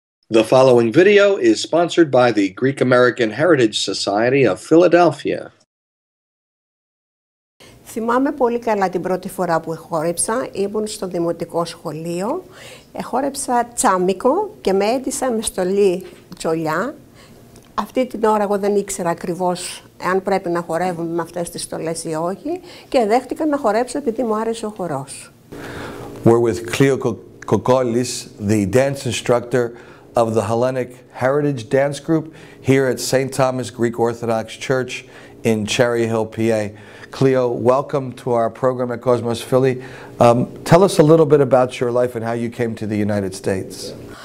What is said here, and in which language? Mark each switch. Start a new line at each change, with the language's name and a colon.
English: The following video is sponsored by the Greek American Heritage Society of Philadelphia.
Greek: Θυμάμαι πολύ καλά την πρώτη φορά που χόρεψα. Ήμουν στο δημοτικό σχολείο. Χόρεψα τσάμικο και με έντυσα με στολή τζολιά. Αυτή την ώρα εγώ δεν ήξερα ακριβώς αν πρέπει να χορεύουμε με αυτές τις στολές ή όχι και δέχτηκα να χορέψω επειδή μου άρεσε ο χορός.
English: We're with Klio Kokolis, the dance instructor of the Hellenic Heritage Dance Group here at St. Thomas Greek Orthodox Church in Cherry Hill, PA. Klio, welcome to our program at Cosmos Philly. Tell us a little bit about your life and how you came to the United States.